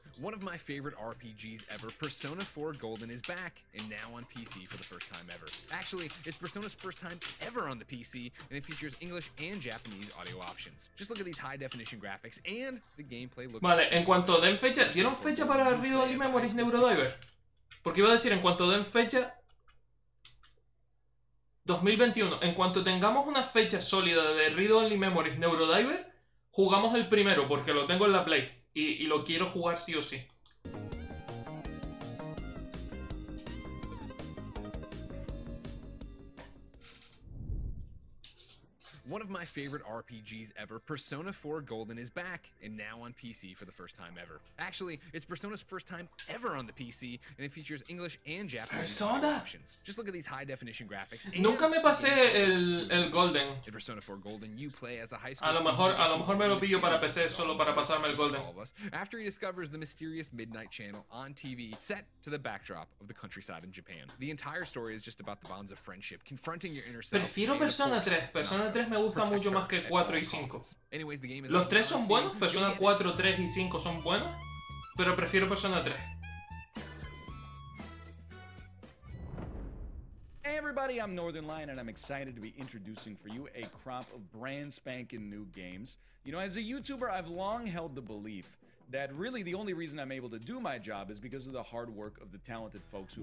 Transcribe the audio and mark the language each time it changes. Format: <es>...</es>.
<en>One of my favorite RPGs ever, Persona 4 Golden, is back, and now on PC for the first time ever. Actually, it's Persona's first time ever on the PC, and it features English and Japanese audio options. Just look at these high-definition graphics, and the gameplay looks...</en> <es>Vale, en cuanto den fecha... ¿Dieron fecha para Read Only Memory, Neurodiver? Porque iba a decir, en cuanto den fecha... 2021. En cuanto tengamos una fecha sólida de Read Only Memories Neurodiver, jugamos el primero porque lo tengo en la Play y lo quiero jugar sí o sí.</es> <en>One of my favorite RPGs ever, Persona 4 Golden, is back, and now on PC for the first time ever. Actually, it's Persona's first time ever on the PC, and it features English and Japanese options. Just look at these high-definition graphics.</en> <es>Nunca me pasé el Golden.</es> <en>In Persona 4 Golden, you play as a high school...</en> <es>A lo mejor me lo pillo para PC solo para pasarme el Golden.</es> <en>After he discovers the mysterious Midnight Channel on TV, set to the backdrop of the countryside in Japan. The entire story is just about the bonds of friendship, confronting your inner self.</en> <es>Prefiero Persona 3. Persona 3 me gusta mucho más que 4 y 5. Los 3 son buenos, Persona 4, 3 y 5 son buenos, pero prefiero Persona 3.</es> <en>Everybody, I'm Northern Lion, and I'm excited to be introducing for you a crop of brand spanking new games. You know, as a YouTuber, I've long held the belief that really the only reason I'm able to do my job is because of the hard work of the talented folks who...</en>